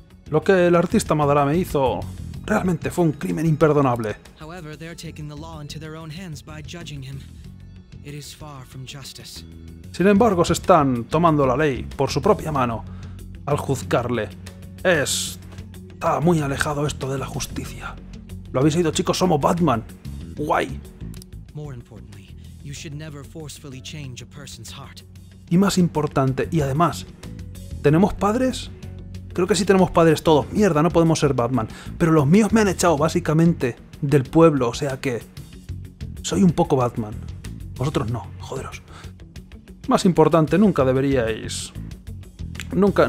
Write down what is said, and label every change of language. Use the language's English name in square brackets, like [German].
[Spanish] Lo que el artista Madarame hizo... realmente fue un crimen imperdonable. [English] However, they're taking the law into their own hands by judging him. It is far from justice. [Spanish] Sin embargo, se están tomando la ley por su propia mano al juzgarle. Está muy alejado esto de la justicia. ¿Lo habéis oído, chicos? Somos Batman. Guay. [English] More importantly, you should never forcefully change a person's heart. [Spanish] Y más importante, y además, ¿tenemos padres? Creo que sí tenemos padres todos. Mierda, no podemos ser Batman. Pero los míos me han echado básicamente del pueblo, o sea que... soy un poco Batman. Vosotros no, joderos. Más importante, nunca deberíais... nunca...